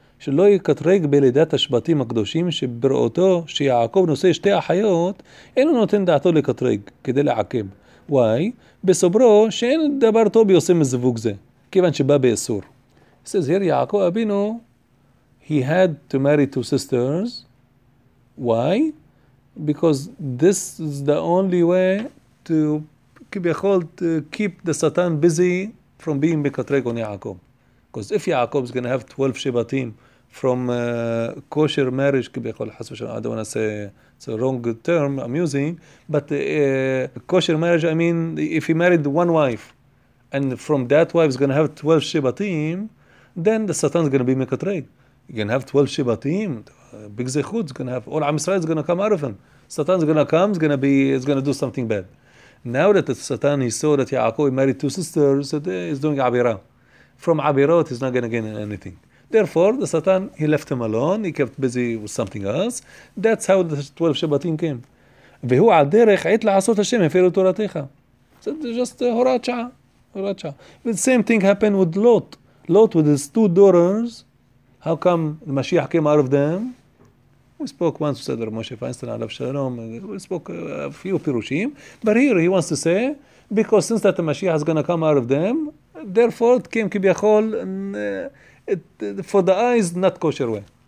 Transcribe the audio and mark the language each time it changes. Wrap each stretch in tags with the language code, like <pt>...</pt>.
<he>שלא יקטרג בלידת השבטים הקדושים שבראותו שיעקב נושא שתי אחיות, אינו נותן דעתו לקטרג כדי לעקב.</he> <en>Why?</en> <he>בסוברו שאין דבר טוב יושא מזווג זה. כיוון שבא באיסור.</he> <en>He says here, יעקב אבינו, he had to marry two sisters. Why? Because this is the only way to, כביכול, to keep the Satan busy from being בקטרג on יעקב. Because if יעקב is going to have 12 שבטים from kosher marriage, כביכול, חס ושלום, I don't want to say it's a wrong term, I'm using, but kosher marriage, I mean, if he married one wife, and from that wife is going to have 12 Shebatim, then the Satan is going to be Mekatreg. You're going to have 12 Shebatim, Big Zechut is going to have, all Am Yisrael is going to come out of him. Satan is going to come, is going to do something bad. Now that the Satan, he saw that Yaakov married two sisters, he's doing Abira. From Abirot, he's not going to gain anything. Therefore, the Satan, he left him alone, he kept busy with something else. That's how the 12 Shebatim came.</en> <he>והוא על דרך עת לעשות השם, הפירו תורתך.</he> <en>So just</en> <he>הוראת שעה. Racha.</he> <en>But the same thing happened with Lot. Lot with his two daughters. How come the Mashiach came out of them? We spoke once, we said, Moshe Feinstein, Alav Shalom. We spoke a few Pirushim. But here he wants to say, because since that the Mashiach is going to come out of them, therefore it came Kibyachol for the eyes, not kosher way.</en>